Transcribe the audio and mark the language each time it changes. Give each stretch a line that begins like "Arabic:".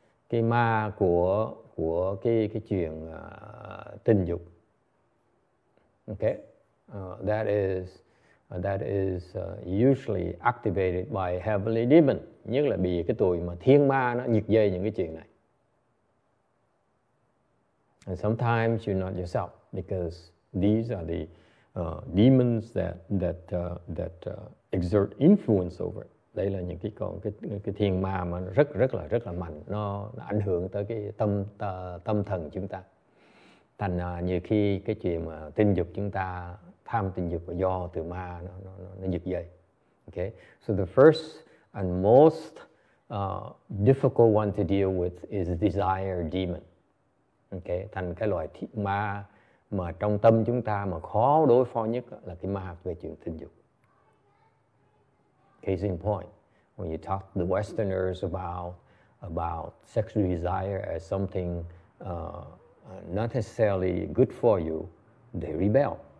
Vietnamese: Cái ma của cái chuyện tình dục. Okay.
English: That is usually activated by heavenly demon,
Vietnamese: nhất là vì cái tuổi mà thiên ma nó nhiệt dây những cái chuyện này.
English: And sometimes you're not yourself because these are the demons that exert influence over.
Vietnamese: Đây là những cái thiên ma mà rất là mạnh, nó ảnh hưởng tới cái tâm thần chúng ta. Thành nhiều khi cái chuyện mà tình dục chúng ta tham tình dục do từ ma nó dựng dậy.
English: Okay. So the first and most difficult one to deal with is desire demon. Okay.
Vietnamese: Thành cái loại ma mà trong tâm chúng ta mà khó đối phó nhất là cái ma về chuyện tình dục.
English: Case in point, when you talk to the Westerners about sexual desire as something not necessarily good for you, they rebel.